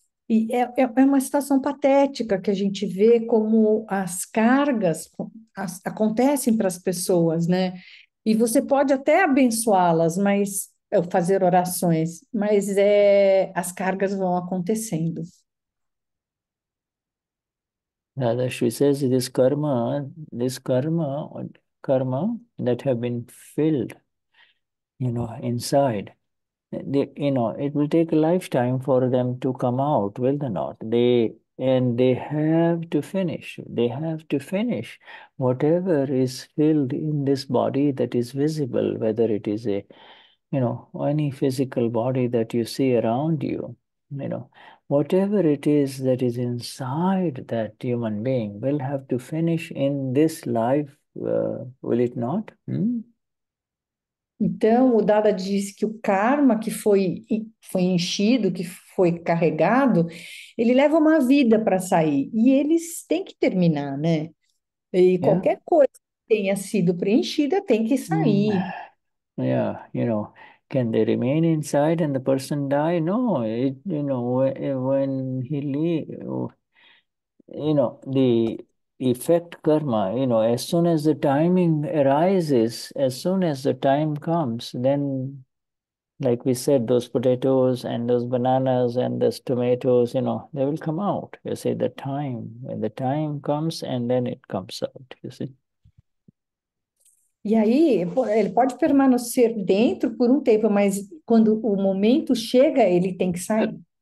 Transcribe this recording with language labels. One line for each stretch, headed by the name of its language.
Portuguese: E é uma situação patética que a gente vê como as cargas acontecem para as pessoas, né? E você pode até abençoá-las, mas fazer orações, mas as cargas vão acontecendo.
English: Dadashri says this karma that have been filled, you know, inside, you know, it will take a lifetime for them to come out, will they not? They have to finish whatever is filled in this body that is visible, whether it is a, you know, any physical body that you see around you, you know, whatever it is that is inside that human being will have to finish in this life, will it not?
Portuguese: Então, o Dada diz que o karma que foi enchido, que foi carregado, ele leva uma vida para sair. E eles têm que terminar, né? E qualquer coisa que tenha sido preenchida tem que sair.
English: Yeah, you know, can they remain inside and the person die? No, you know, when he leave, you know, the effect karma, you know, as soon as the timing arises, as soon as the time comes, then, like we said, those potatoes and those bananas and those tomatoes, you know, they will come out. You see, the time, when the time comes, and then it comes out, you see.
Portuguese: E aí, ele pode permanecer dentro por tempo, mas quando o momento chega, ele tem que sair.